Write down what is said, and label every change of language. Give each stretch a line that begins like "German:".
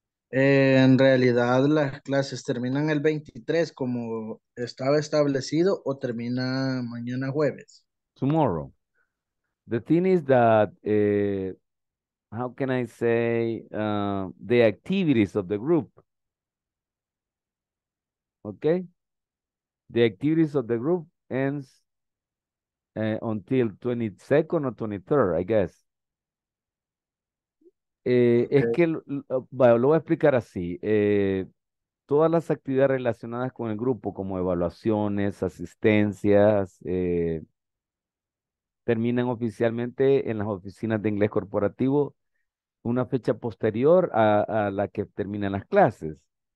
Spanish: ¿En realidad las clases terminan el 23 como estaba establecido o termina mañana jueves?
English: Tomorrow. The thing is that, how can I say, the activities of the group? Okay? The activities of the group ends until 22nd or 23rd, I guess.
Spanish: Es que bueno, lo voy a explicar así. Todas las actividades relacionadas con el grupo, como evaluaciones, asistencias, terminan oficialmente en las oficinas de inglés corporativo una fecha posterior a la que terminan las clases.